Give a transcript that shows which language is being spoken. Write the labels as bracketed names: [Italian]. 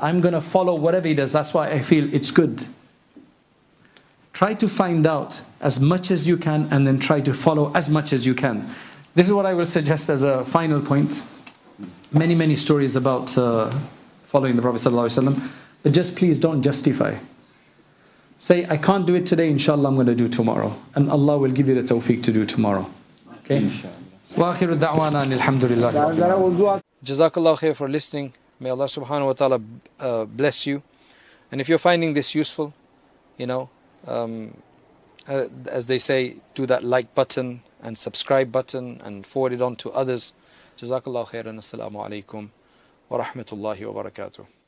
[English] I'm going to follow whatever he does. That's why I feel it's good. Try to find out as much as you can and then try to follow as much as you can. This is what I will suggest as a final point. Many, many stories about following the Prophet ﷺ. But just please don't justify. Say, I can't do it today, inshallah I'm going to do tomorrow. And Allah will give you the tawfiq to do tomorrow. Okay? [Arabic] وآخر دعوانا أن الحمد لله. جزاك الله خير [English] for listening. May Allah subhanahu wa ta'ala bless you. And if you're finding this useful, you know, as they say, do that like button and subscribe button and forward it on to others. [Arabic] جزاك الله خير. السلام عليكم ورحمة الله وبركاته.